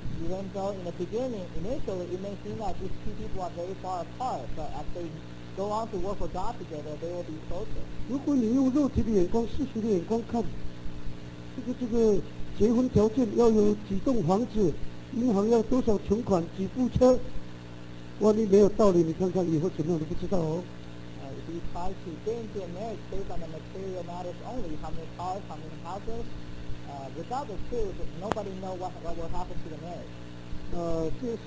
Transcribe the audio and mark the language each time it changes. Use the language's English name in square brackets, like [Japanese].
[English] Even though in the beginning, initially, it may seem like these two people are very far apart, but as they go on to work for God together, they will be closer. [Chinese] 如果你用肉体的眼光、世俗的眼光看，这个结婚条件要有几栋房子，银行要多少存款、几部车，万一没有道理，你看看以后怎么样都不知道哦。 [English] If you try to get into a marriage based on the material matters only, how many cars, how many houses, without the truth, nobody knows what will happen to the marriage.